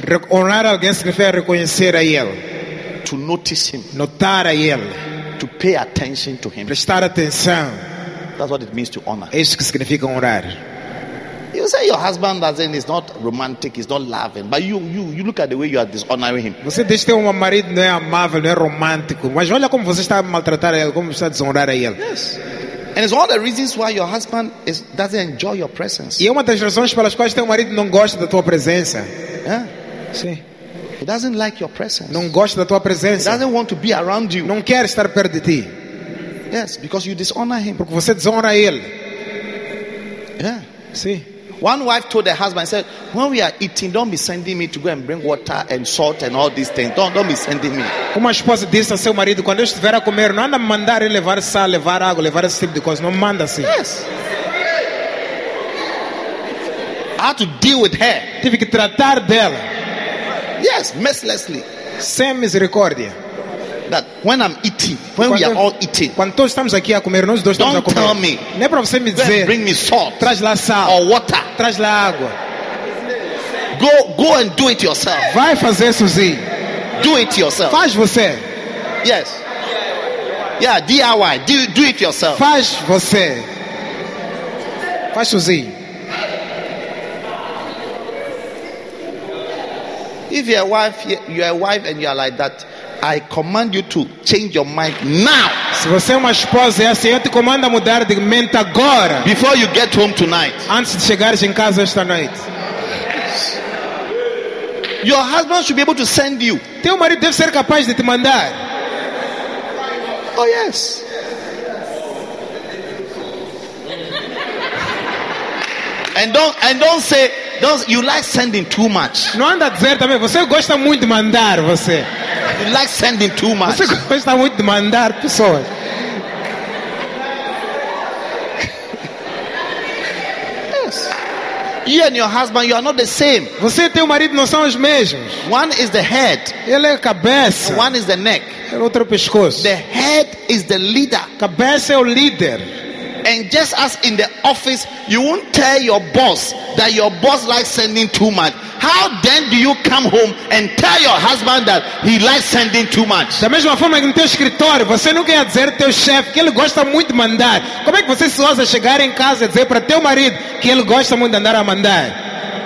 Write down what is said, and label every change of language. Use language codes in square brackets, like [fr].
[pt] Honrar alguém significa reconhecer a ele. [en] To notice him. [pt] Notar a ele. [en] To pay attention to him. [pt] Prestar atenção. [en] That's what it means to honor. [pt] Isso que significa honrar. [en] You say your husband doesn't is not romantic, he's not loving, but you look at the way you are dishonoring him. [pt] Você diz que o marido não é amável, não é romântico, mas olha como você está a maltratar ele, como está a desonrar a ele. [en] Yes. And it's one of the reasons why your husband doesn't enjoy your presence. [pt] E é uma das razões pelas quais teu marido não gosta da tua presença. [en] Yeah. [pt] Sim. [en] He doesn't like your presence. [pt] Não gosta da tua presença. [en] He doesn't want to be around you. [pt] Não quer estar perto de ti. [en] Yes, because you dishonor him. [pt] Porque você desonra ele. [en] Yeah. [pt] Sim. [en] One wife told her husband, said, when we are eating, don't be sending me to go and bring water and salt and all these things. Don't be sending me. [pt] Uma esposa disse a seu marido, quando eu estiver a comer, não anda me mandar ele levar sal, levar água, levar esse tipo de coisa. Não manda assim. [en] Yes. I had to deal with her. [pt] Tive que tratar dela. [en] Yes, mercilessly. [pt] Sem misericórdia. [en] That when I'm eating, when we are all eating, [pt] quando todos estamos aqui a comer, nós dois estamos a comer. [en] Don't tell me. [pt] Nem para você me dizer. [en] Bring me salt. [pt] Traz lá sal. [en] Or water. [pt] Traz lá água. [en] Go and do it yourself. [pt] Vai fazer sozinho. [en] Do it yourself. [pt] Faz você. [en] Yes. Yeah, DIY. Do it yourself. [pt] Faz você. Faz sozinho. [en] If you're a wife, and you are like that, I command you to change your mind now. [pt] Se você é uma esposa, assim, eu te comando a mudar de mente agora. [en] Before you get home tonight. [pt] Antes de chegares em casa esta noite. [en] Your husband should be able to send you. [pt] Teu marido deve ser capaz de te mandar. [en] Oh yes. And don't say you like sending too much. [pt] Não anda a dizer também, você gosta muito de mandar, você. [en] You like sending too much. [pt] Você gosta muito de mandar pessoas. [en] Yes. You and your husband, you are not the same. [pt] Você e teu marido não são os mesmos. [en] One is the head. [pt] Ele é a cabeça. [en] And one is the neck. [pt] Ele é outro pescoço. [en] The head is the leader. [pt] Cabeça é o líder. [en] And just as in the office, you won't tell your boss that your boss likes sending too much. How then do you come home and tell your husband that he likes sending too much? [pt] Da mesma forma que no teu escritório, você não quer dizer ao teu chefe que ele gosta muito de mandar. Como é que você se ousa chegar em casa e dizer para teu marido que ele gosta muito de andar a mandar?